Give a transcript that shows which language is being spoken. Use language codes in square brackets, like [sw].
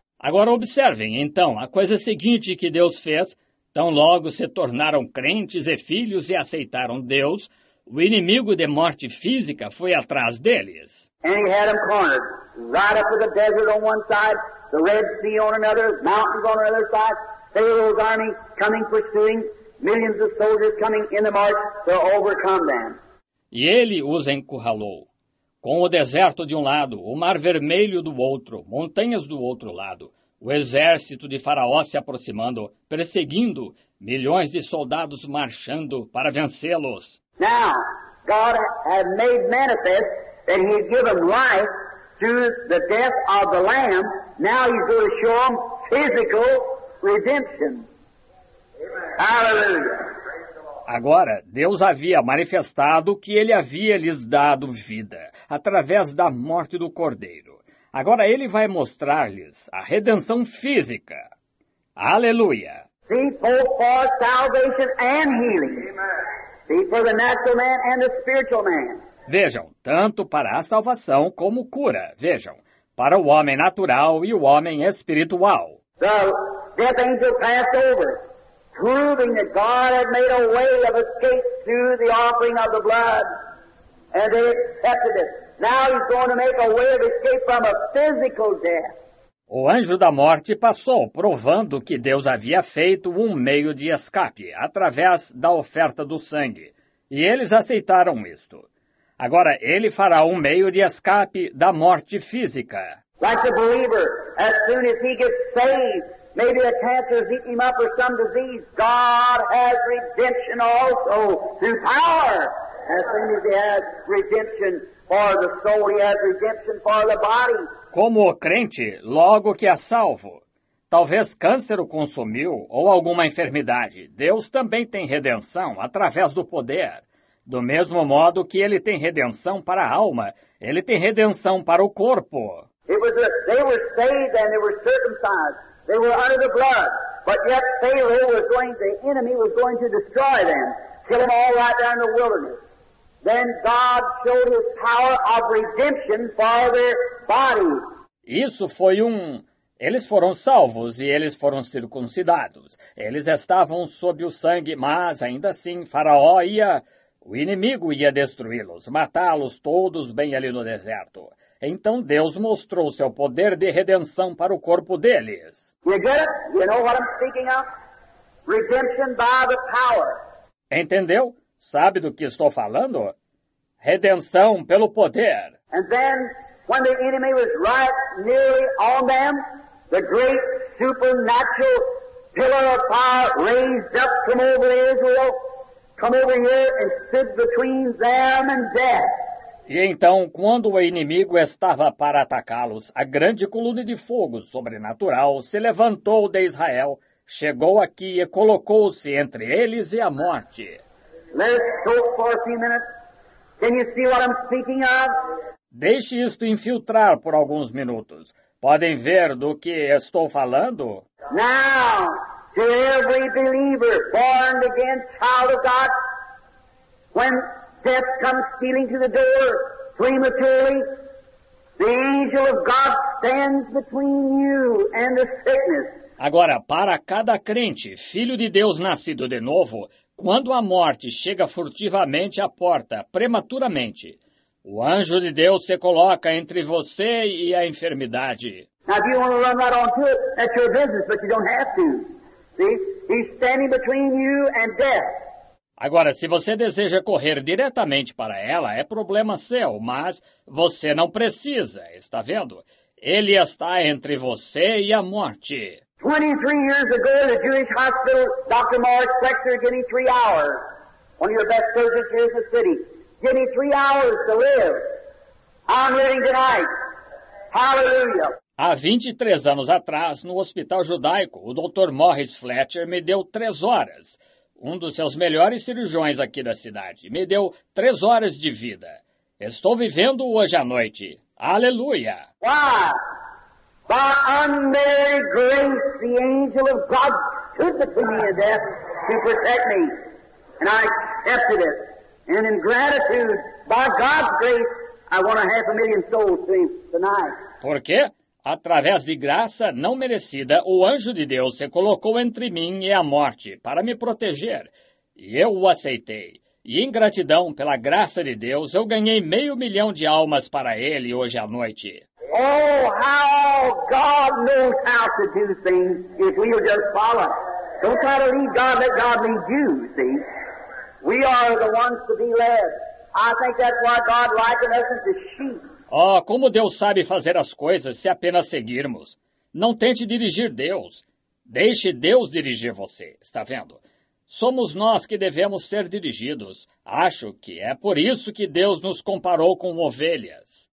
[pt] Agora observem, então, a coisa seguinte que Deus fez, tão logo se tornaram crentes e filhos e aceitaram Deus, o inimigo de morte física foi atrás deles. [en] And he had them cornered, right up to the desert on one side, the Red Sea on another, mountains on another side, Pharaoh's army coming pursuing, millions of soldiers coming in the march to overcome them. [pt] E ele os encurralou. Com o deserto de um lado, o mar vermelho do outro, montanhas do outro lado, o exército de Faraó se aproximando, perseguindo, milhões de soldados marchando para vencê-los. [en] Now, God had made manifest that he had given life through the death of the Lamb. Now he's going to show them physical redemption. Hallelujah. [pt] Agora, Deus havia manifestado que ele havia lhes dado vida através da morte do Cordeiro. Agora ele vai mostrar-lhes a redenção física. Aleluia! [en] See, both for salvation and healing. See, for the natural man and the spiritual man. [pt] Vejam, tanto para a salvação como cura. Vejam, para o homem natural e o homem espiritual. [en] The death angel passed over. Proving that God had made a way of escape through the offering of the blood. And they accepted it. Now he's going to make a way of escape from a physical death. [pt] O anjo da morte passou, provando que Deus havia feito um meio de escape através da oferta do sangue. E eles aceitaram isto. Agora ele fará um meio de escape da morte física. [en] Like the believer, as soon as he gets saved, maybe a cancer has eaten him up or some disease. God has redemption also through power. As soon as he has redemption for the soul, he has redemption for the body. [pt] Como o crente, logo que é salvo, talvez câncer o consumiu ou alguma enfermidade, Deus também tem redenção através do poder. Do mesmo modo que ele tem redenção para a alma, ele tem redenção para o corpo. [en] They were saved and they were circumcised. They were under the blood. But yet Pharaoh was going, the enemy was going to destroy them, kill them all right there in the wilderness. Then God showed his power of redemption for their bodies. [pt] Isso foi eles foram salvos e eles foram circuncidados. Eles estavam sob o sangue, mas ainda assim Faraó ia, o inimigo ia destruí-los, matá-los todos bem ali no deserto. Então Deus mostrou seu poder de redenção para o corpo deles. [en] You get it? You know what I'm speaking of? Redemption by the power. [pt] Entendeu? Sabe do que estou falando? Redenção pelo poder. [en] And then, when the enemy was right nearly on them, the great supernatural pillar of fire raised up from over Israel, come over here and stood between them and death. [pt] E então, quando o inimigo estava para atacá-los, a grande coluna de fogo sobrenatural se levantou de Israel, chegou aqui e colocou-se entre eles e a morte. [en] Let's talk for a few minutes. Can you see what I'm speaking of? [pt] Deixe isto infiltrar por alguns minutos. Podem ver do que estou falando? [en] Now, to every believer born again, child of God, when death comes stealing to the door prematurely, the angel of God stands between you and the sickness. [pt] Agora, para cada crente, filho de Deus nascido de novo, quando a morte chega furtivamente à porta, prematuramente, o anjo de Deus se coloca entre você e a enfermidade. [en] Now, if you want to run right on to it, that's your business, but you don't have to. See? He's standing between you and death. [pt] Agora, se você deseja correr diretamente para ela, é problema seu, mas você não precisa, está vendo? Ele está entre você e a morte. [en] 23 years ago, in a Jewish hospital, Dr. Morris Flexer, getting 3 hours, one of your best surgeons here in the city, getting 3 hours to live. I'm living tonight. Hallelujah. [pt] Há 23 anos atrás, no hospital judaico, o Dr. Morris Flexer me deu 3 horas. Um dos seus melhores cirurgiões aqui da cidade. Me deu 3 horas de vida. Estou vivendo hoje à noite. Aleluia! [en] Why? By unmerited grace, the angel of God stood between me and death to protect me. And I accepted it. And in gratitude, by God's grace, I won 500,000 souls tonight. [pt] Por quê? Através de graça não merecida, o anjo de Deus se colocou entre mim e a morte para me proteger. E eu o aceitei. E em gratidão pela graça de Deus, eu ganhei 500,000 de almas para ele hoje à noite. [en] Oh, how God knows how to do things if we will just follow. Don't try to lead God, let God lead you, see. We are the ones to be led. I think that's why God likens us to sheep. [pt] Oh, como Deus sabe fazer as coisas se apenas seguirmos. Não tente dirigir Deus. Deixe Deus dirigir você, está vendo? Somos nós que devemos ser dirigidos. Acho que é por isso que Deus nos comparou com ovelhas.